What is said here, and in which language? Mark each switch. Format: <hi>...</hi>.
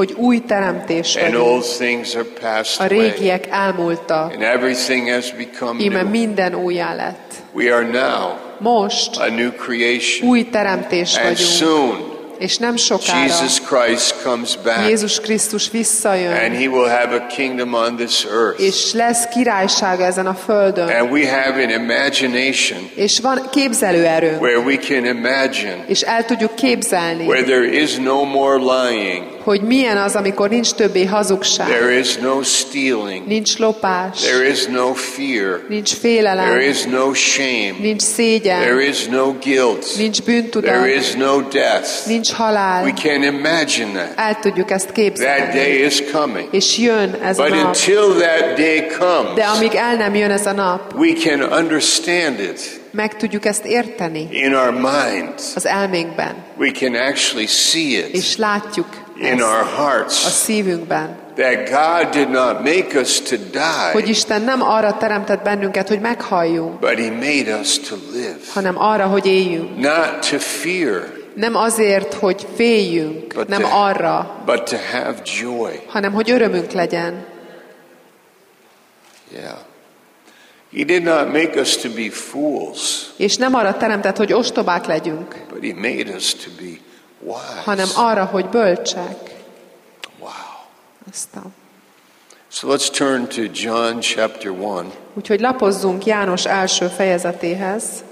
<hu>Hogy új teremtés vagyunk.</hu> <en>And old things are passed away.</en> <hu>A régiek elmúltak.</hu> <en>And everything has become new.</en> <hu>Íme minden újjá lett.</hu> <en>We are now.</en> <hu>Most.</hu> <en>A new creation.</en> <hu>Új teremtés vagyunk.</hu> <en>And soon.</en> <hu>És nem sokára</hu> <en>Jesus Christ comes back.</en> <hu>Jézus Krisztus visszajön.</hu> <en>And he will have a kingdom on this earth.</en> <hu>És lesz királysága ezen a földön.</hu> <en>And we have an imagination.</en> <hu>És van képzelőerő.</hu> <en>Where we can imagine.</en> <hu>És el tudjuk képzelni.</hu> <en>Where there is no more lying.</en> <hu>Hogy milyen az, amikor nincs többé hazugság.</hu> <en>There is no stealing.</en> <hu>Nincs lopás.</hu> <en>There is no fear.</en> <hu>Nincs félelem.</hu> <en>There is no shame.</en> <hu>Nincs szégyen.</hu> <en>There is no guilt.</en> <hu>Nincs bűntudat.</hu> <en>There is no death.</en> <hu>Nincs halál.</hu> <en>We can imagine that.</en> <hu>El tudjuk ezt képzelni.</hu> <en>That day is coming.</en> <hu>És jön ez</hu> <en>But</en> <hu>a nap.</hu> <en>Until that day comes,</en> <hu>de amíg el nem jön ez a nap,</hu> <en>we can understand it.</en> <hu>Meg tudjuk ezt érteni.</hu> <en>In our minds,</en> <hu>az elménkben.</hu> <en>We can actually see it.</en> <hu>És látjuk.</hu> <en>In our hearts,</en> <hu>a szívünkben,</hu> <en>that God did not make us to die,</en> <hu>hogy Isten nem arra teremtett bennünket, hogy meghalljunk,</hu> <en>but he made us to live,</en> <hu>hanem arra, hogy éljünk,</hu> <en>not to fear,</en> <hu>nem azért, hogy féljünk,</hu> <en>but</en> <hu>nem arra,</hu> <en>but to have joy,</en> <hu>hanem hogy örömünk legyen.</hu> <en>Yeah. He did not make us to be fools,</en> <hu>és nem arra teremtett, hogy ostobák legyünk,</hu> <en>but he made us to be.</en> <hu>Hanem arra, hogy bölcsek.</hu> <en>Wow.</en> <hu>Aztán.</hu> <en>So let's turn to John chapter 1.</en> <hu>Úgyhogy lapozzunk János első fejezetéhez.</hu>